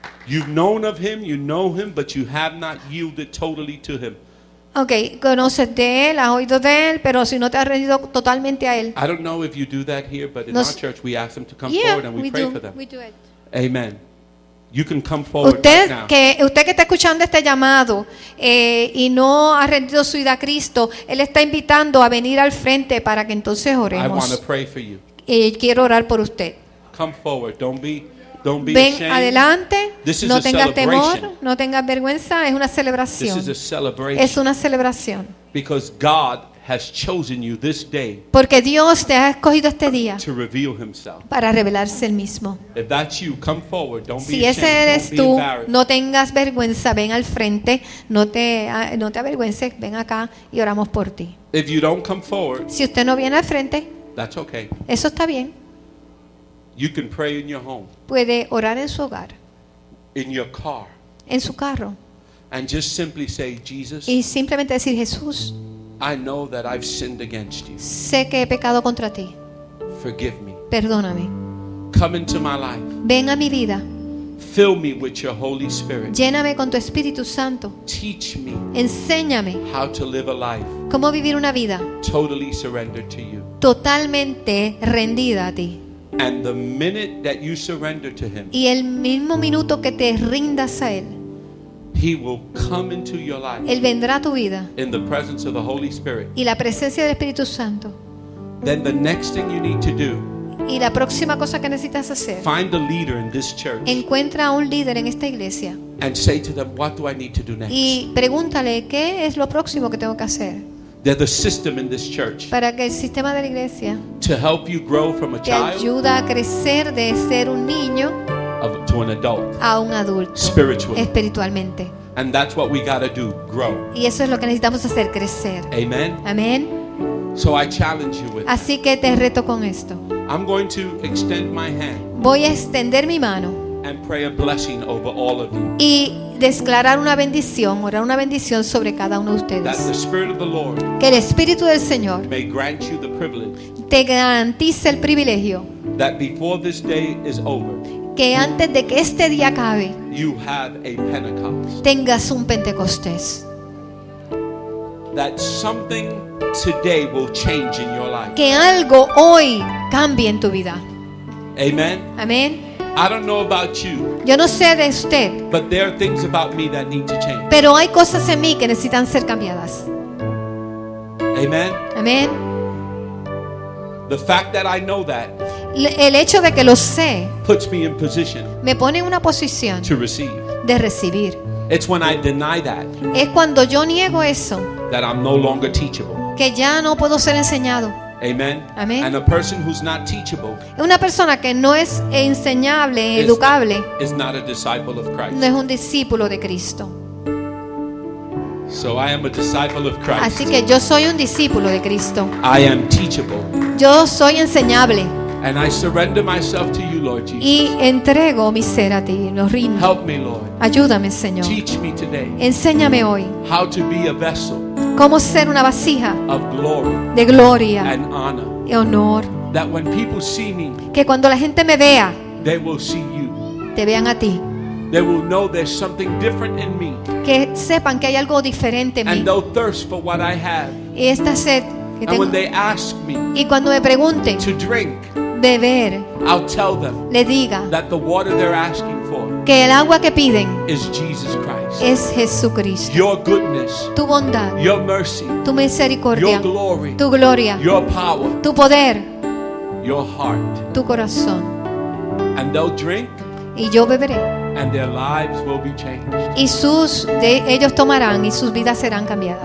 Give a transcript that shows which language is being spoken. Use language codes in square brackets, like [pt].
[en] You've known of him, you know him, but you have not yielded totally to him. [es] Okay, conoces de él, has oído de él, pero si no te has rendido totalmente a él. [en] I don't know if you do that here, but in our church we ask them to come forward and we pray for them. We do it. Amen. You can come forward [es] usted, [en] right now. [es] Usted que está escuchando este llamado y no ha rendido su vida a Cristo, él está invitando a venir al frente para que entonces oremos. [en] I want to pray for you. [es] Quiero orar por usted. [en] Come forward, don't be [es] ven [en] ashamed. [es] Adelante, no tengas temor, no tengas vergüenza, es una celebración. Es una celebración. [en] Because God has chosen you this day. [es] Porque Dios te ha escogido este día. [en] To reveal himself. [es] Para revelarse el mismo. [en] If that's you, come forward. Don't [es] si [en] be ashamed. [es] Ese eres [en] don't [es] tú, [en] be embarrassed. [es] No tengas vergüenza, ven al frente, no te avergüences, ven acá y oramos por ti. [en] If you don't come forward. [es] Si usted no viene al frente. [en] That's okay. [es] Eso está bien. [en] You can pray in your home. [es] Puede orar en su hogar. [en] In your car. [es] en su carro. [en] And just simply say, Jesus, [es] y simplemente decir, Jesús, [en] I know that I've sinned against you. [es] Sé que he pecado contra ti. [en] Forgive me. [es] Perdóname. [en] Come into my life. [es] Ven a mi vida. [en] Fill me with your Holy Spirit. [es] Lléname con tu Espíritu Santo. [en] Teach me. [es] Enséñame. [en] How to live a life. [es] Cómo vivir una vida. [en] Totally surrendered to you. [es] Totalmente rendida a ti. [en] And the minute that you surrender to him. [es] Y el mismo minuto que te rindas a él. [en] He will come into your life. [es] Él vendrá a tu vida. [en] In the presence of the Holy Spirit. [es] Y la presencia del Espíritu Santo. [en] Then the next thing you need to do. [es] Y la próxima cosa que necesitas hacer. [en] Find a leader in this church. [es] Encuentra un líder en esta iglesia. [en] And say to them, what do I need to do next? [es] Y pregúntale qué es lo próximo que tengo que hacer. [en] They're the system in this church. [es] Para que el sistema de la iglesia. [en] To help you grow from a child. [es] Te ayuda a crecer de ser un niño. [en] To an adult. [es] A un adulto. [en] Spiritually. [es] Espiritualmente. [en] And that's what we got to do, grow. [es] Y eso es lo que necesitamos hacer, crecer. [en] Amen. [es] Amen. [en] So I challenge you with. [es] Así que te reto con esto. [en] I'm going to extend my hand. [es] Voy a extender mi mano. [en] And pray a blessing over all of you. [es] Y declarar una bendición, orar una bendición sobre cada uno de ustedes. [en] That the Spirit of the Lord. [es] Que el Espíritu del Señor. [en] May grant you the privilege. [es] Te garantice el privilegio. [en] That before this day is over. [es] Que antes de que este día acabe. [en] You have a Pentecost. [es] Tengas un Pentecostés. [en] That something today will change in your life. [es] Que algo hoy cambie en tu vida. [en] Amen. [es] Amen. [en] I don't know about you. [es] Yo no sé de usted. [en] But there are things about me that need to change. [es] Pero hay cosas en mí que necesitan ser cambiadas. [en] Amen. [es] Amen. [en] The fact that I know that. [es] El hecho de que lo sé. [en] Puts me in position. [es] Me pone en una posición. [en] To receive. [es] De recibir. [en] It's when I deny that. [es] Es cuando yo niego eso. [en] That I'm no longer teachable. [es] Que ya no puedo ser enseñado. [en] Amen. [es] Amen. [en] And a person who's not teachable. [es] Una persona que no es enseñable, educable. [en] Is not a disciple of Christ. [es] No es un discípulo de Cristo. [en] So I am a disciple of Christ. [es] Así que yo soy un discípulo de Cristo. [en] I am teachable. [es] Yo soy enseñable. [en] And I surrender myself to you, Lord Jesus. [es] Y entrego mi ser a ti, lo rindo. [en] Help me, Lord. [es] Ayúdame, Señor. [en] Teach me today. [es] Enséñame hoy. [en] How to be a vessel. [es] Cómo ser una vasija [en] of glory [es] de gloria [en] and honor, [es] y honor. [en] That when people see me, [es] que cuando la gente me vea, [en] they will see you. [es] Te vean a ti. [en] They will know there's something different in me. [es] Que sepan que hay algo diferente en [en] and [es] mí. [en] And they'll thirst for what I have. [es] Y esta sed que [en] and [es] tengo. [en] When they ask me, [es] y cuando me pregunten [en] to drink, [es] beber, [en] I'll tell them [es] le diga [en] that the water they're asking for [es] que el agua que piden [en] is Jesus Christ. [es] Es Jesucristo. [en] Your goodness, [es] tu bondad, [en] your mercy, [es] tu misericordia, [en] your glory, [es] tu gloria, [en] your power, [es] tu poder, [en] your heart, [es] tu corazón. [en] And they'll drink, [es] y yo beberé, [en] and their lives will be changed. [es] Y sus de ellos tomarán y sus vidas serán cambiadas.